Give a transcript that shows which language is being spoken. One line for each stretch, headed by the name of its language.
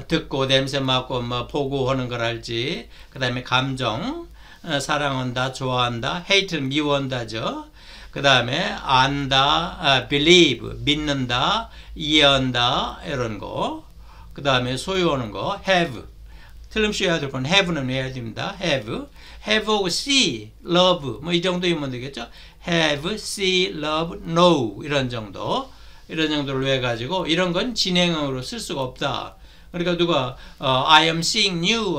Korean: 듣고 냄새 맡고 뭐 보고 하는 걸 알지. 그 다음에 감정. 사랑한다, 좋아한다, hate는 미워한다죠. 그 다음에 안다, believe, 믿는다, 이해한다, 이런 거. 그 다음에 소유하는 거, have. 틀림없이 해야 될건 have는 해야 됩니다. have하고 see, love. 뭐이 정도이면 되겠죠. have, see, love, know. 이런 정도. 이런 정도를 왜 가지고, 이런 건 진행형으로 쓸 수가 없다. 그러니까 누가,
English: I am seeing you.